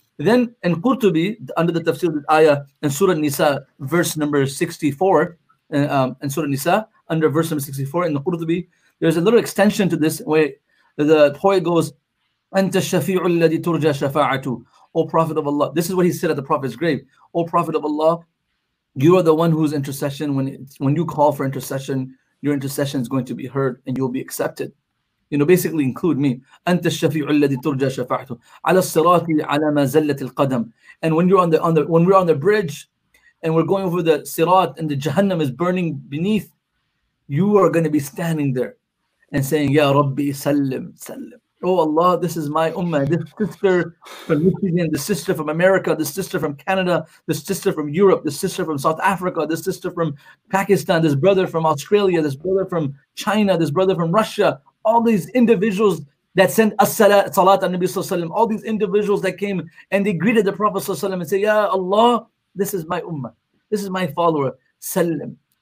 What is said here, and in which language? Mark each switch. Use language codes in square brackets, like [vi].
[en] Then in Qurtubi, under the tafsir of the ayah, in Surah Nisa, verse number 64, in Surah Nisa, under verse number 64, in the Qurtubi, there's a little extension to this where the poet goes, [ar] أَنْتَ الشَّفِيعُ الَّذِي تُرْجَى شَفَاعَتُ. [en] O Prophet of Allah, this is what he said at the Prophet's grave. O Prophet of Allah, you are the one whose intercession, when you call for intercession, your intercession is going to be heard and you will be accepted. You know, basically include me. [ar] أنت الشفيع الذي ترجى شفاعته على الصراط على ما زلت القدم. [en] And when you're when we're on the bridge and we're going over the sirat and the Jahannam is burning beneath, you are going to be standing there and saying, [ar] Ya Rabbi, Sallim, Sallim. [en] Oh Allah, this is my ummah, this sister from Michigan, the sister from America, the sister from Canada, the sister from Europe, the sister from South Africa, the sister from Pakistan, this brother from Australia, this brother from China, this brother from Russia, all these individuals that sent as-salat salat an-Nabi sallallahu alayhi wa sallam, all these individuals that came and they greeted the Prophet sallallahu alayhi wa sallam and said, Ya Allah, this is my ummah, this is my follower, sallam.